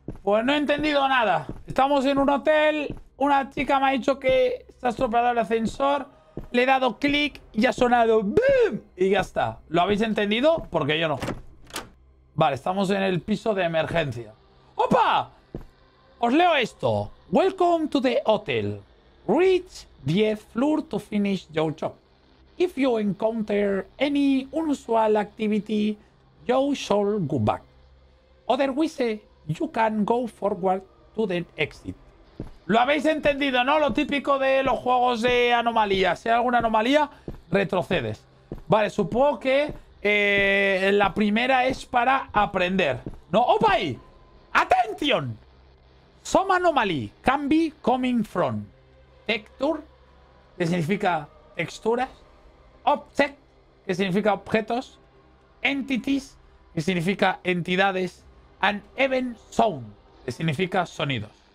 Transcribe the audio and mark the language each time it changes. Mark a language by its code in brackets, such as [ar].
[es] Pues no he entendido nada. Estamos en un hotel. Una chica me ha dicho que se ha estropeado el ascensor. Le he dado clic y ha sonado ¡BOOM! Y ya está. ¿Lo habéis entendido? Porque yo no. Vale, estamos en el piso de emergencia. ¡Opa! Os leo esto. [en] Welcome to the hotel. Reach 10th floor to finish your job. If you encounter any unusual activity, you shall go back. Otherwise, you can go forward to the exit. [es] Lo habéis entendido, ¿no? Lo típico de los juegos de anomalías. Si hay alguna anomalía, retrocedes. Vale, supongo que la primera es para aprender. ¡No! ¡Opa ahí! ¡Atención! [en] Some anomaly can be coming from texture, [es] que significa texturas, object, que significa objetos, entities, que significa entidades, [en] and even sound, [es] que significa sonidos.